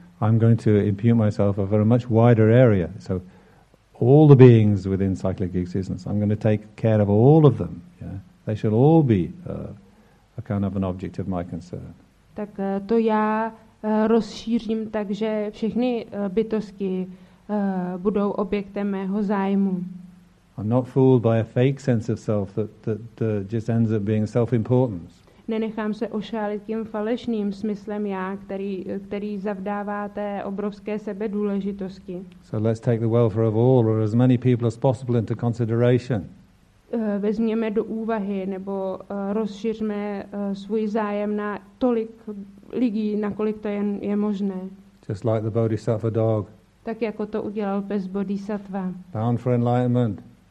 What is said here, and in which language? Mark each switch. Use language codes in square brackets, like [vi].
[en] I'm going to impute myself over a much wider area. So all the beings within cyclic existence, I'm going to take care of all of them. Yeah? They shall all be a kind of an object of my concern. [cs] Tak to já rozšířím tak, že všechny bytosti budou objektem mého zájmu. [en] I'm not fooled by a fake sense of self that just ends up being self-importance. [cs] Nenechám se ošálit tím falešným smyslem já, který zavdává té obrovské sebedůležitosti. [en] So let's take the welfare of all or as many people as possible into consideration. [cs] Vezměme do úvahy nebo rozšiřme svůj zájem na tolik lidí, nakolik to jen je možné. [en] Just like the bodhisattva dog. [cs] Tak jako to udělal pes bodhisattva. [en] Bound for enlightenment.